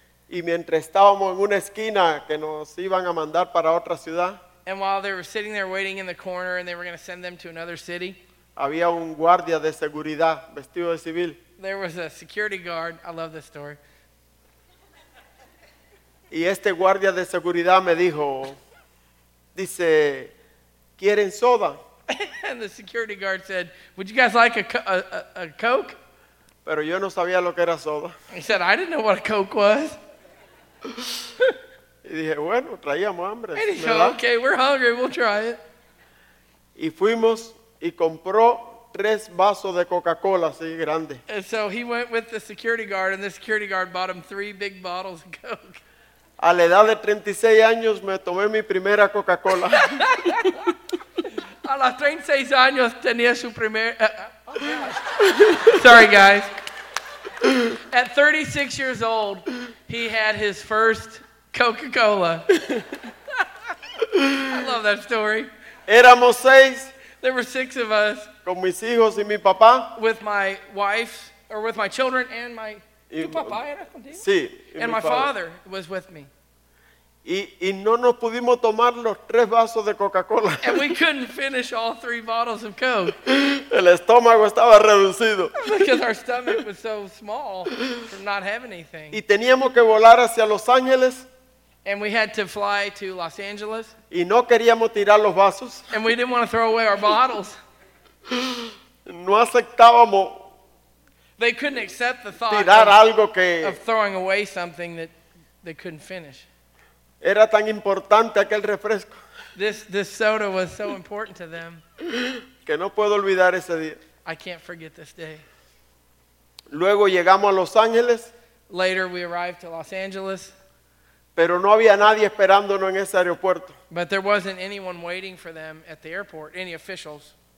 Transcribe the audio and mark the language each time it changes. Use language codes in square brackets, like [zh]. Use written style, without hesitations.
[es] Y mientras estábamos en una esquina que nos iban a mandar para otra ciudad. [en] And while they were sitting there waiting in the corner and they were going to send them to another city. [es] Había un guardia de seguridad vestido de civil. [en] There was a security guard. I love this story. [es] Y este guardia de seguridad me dijo, dice, ¿quieren soda? [en] And the security guard said, would you guys like a Coke? [es] Pero yo no sabía lo que era soda. [en] He said, I didn't know what a Coke was. [es] Y dije, bueno, traíamos hambre. [en] And he said, okay, we're hungry, we'll try it. [es] Y fuimos y compró tres vasos de Coca-Cola, así grande. [en] And so he went with the security guard, and the security guard bought him three big bottles of Coke. [es] A la edad de 36 años me tomé mi primera Coca-Cola. A los 36 años tenía su primer. [en] Sorry, guys. At 36 years old, he had his first Coca-Cola. I love that story. [es] Éramos seis. [en] There were six of us. [es] Con mis hijos y mi papá. [en] With my wife, or with my children and my. [es] Y, ¿tu papá era contigo? Sí. [en] And my father was with me. [es] Y no nos pudimos tomar los tres vasos de Coca-Cola. [en] And we couldn't finish all three bottles of Coke. [es] El estómago estaba reducido. [en] Because our stomach was so small from not having anything. [es] Y teníamos que volar hacia Los Ángeles. [en] And we had to fly to Los Angeles. [es] Y no queríamos tirar los vasos. [en] And we didn't want to throw away our bottles. [es] No aceptábamos. [en] They couldn't accept the thought [es] tirar algo que [en] of throwing away something that they couldn't finish. [es] Era tan importante aquel refresco. [en] This soda was so important to them. [es] Que no puedo olvidar ese día. [en] I can't forget this day. [es] Luego llegamos a Los Ángeles. [en] Later we arrived to Los Angeles. [es] Pero no había nadie esperándonos en ese aeropuerto. [en] But there wasn't anyone waiting for them at the airport, any officials.